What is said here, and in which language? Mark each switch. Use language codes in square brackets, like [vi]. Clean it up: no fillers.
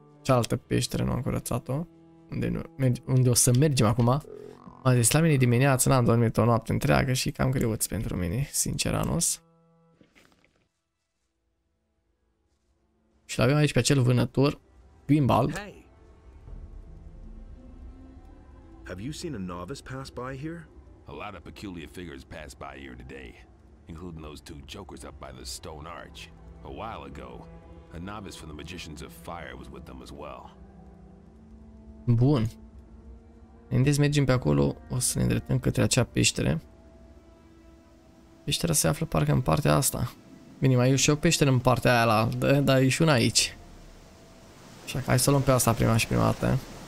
[ro] Cealaltă peștere nu am curățat-o. Unde, nu, merge, unde o să mergem acum? M-a zis la mine dimineață, n-am dormit o noapte întreagă și cam greuț pentru mine, sincer, anos. Și l-avem aici pe acel vânător, Bimbal. [en] Hey. Have you seen a novice pass by here? A lot of peculiar figures passed by here today, including those two jokers up by the stone arch. A while ago, a novice from the Magicians of Fire was with them as well. [ro] Bun. Îndes mergem pe acolo, o să ne îndreptăm către acea peștere. Peștera se află parcă în partea asta. Bine, mai e și o peșteră în partea aia la altă, dar e și una aici. Așa că hai să luăm pe asta prima și prima dată.